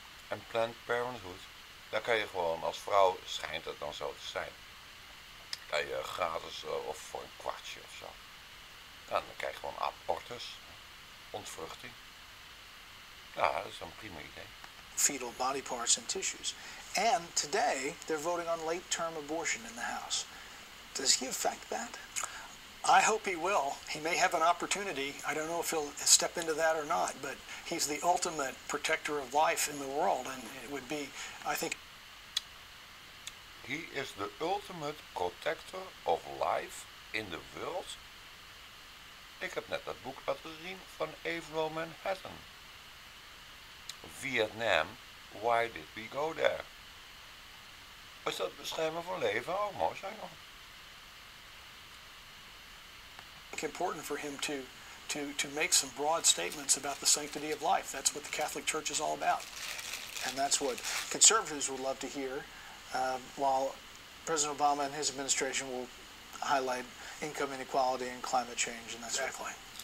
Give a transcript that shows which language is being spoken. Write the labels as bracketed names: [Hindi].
[Dutch] En Planned Parenthood, daar kan je gewoon, als vrouw schijnt het dan zo te zijn, kan je gratis of voor een kwartje of zo. Ja, dan krijg je gewoon abortus, ontvruchting. Ja, dat is een prima idee. [English] Fetal body parts and tissues. And today, they're voting on late-term abortion in the House. Does he affect that? I hope he will. He may have an opportunity. I don't know if he'll step into that or not, but he's the ultimate protector of life in the world, and it would be, I think... He is the ultimate protector of life in the world? [Dutch] Ik heb net dat boek laten zien van Avril Manhattan. Vietnam, why did we go there? Is dat beschermen van leven? Oh, mooi zijn nog. [English] It's important for him to make some broad statements about the sanctity of life. That's what the Catholic Church is all about. And that's what conservatives would love to hear. While President Obama and his administration will highlight income inequality and climate change and that sort of thing.